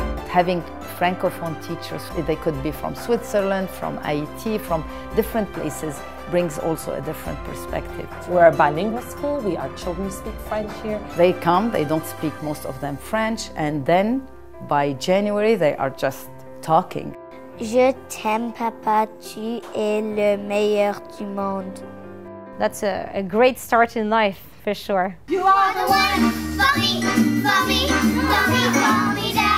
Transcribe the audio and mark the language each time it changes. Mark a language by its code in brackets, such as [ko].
[en] Having Francophone teachers, they could be from Switzerland, from Haiti, from different places, brings also a different perspective. We're a bilingual school, our children speak French here. They come, they don't speak most of them French, and then by January they are just talking. [fr] Je t'aime papa, tu es le meilleur du monde. [en] That's a great start in life, for sure. You are the one for me, for me, for me, for me.